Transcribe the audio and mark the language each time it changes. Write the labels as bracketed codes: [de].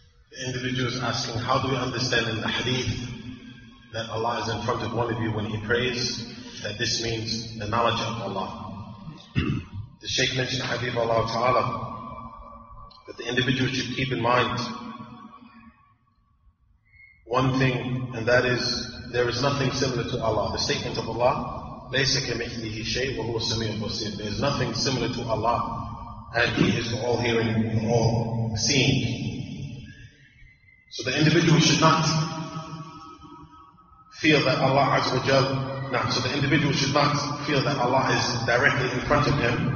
[en] The individual is asking, how do we understand in the hadith that Allah is in front of one of you when he prays, that this means the knowledge of Allah? The Shaykh mentioned hadith Allah Ta'ala, but the individual should keep in mind one thing, and that is there is nothing similar to Allah. The statement of Allah, [ar] لَيْسَ كَمِثْلِهِ شَيْءٍ وَهُوَ السَّمِيعُ الْبَصِيرُ. [en] There is nothing similar to Allah, and He is all hearing, all seeing. So the individual should not feel that Allah Azza wa Jal, so the individual should not feel that Allah is directly in front of him.